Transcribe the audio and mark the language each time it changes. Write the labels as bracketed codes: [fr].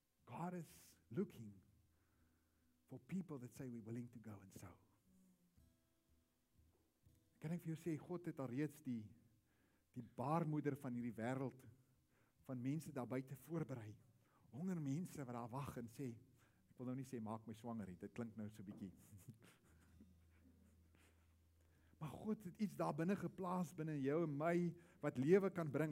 [en] God is looking for people that say we're willing to go and sow. [af] Kan ek vir jou sê, God het alreeds die baarmoeder van hierdie wêreld, van mense daar buite voorberei, honger mense wat daar wag en sê, ek wil nou nie sê, maak my swanger, dit klink nou so bietjie. Maar God het iets daar binnen geplaas, binnen jou en my, wat lewe kan bring.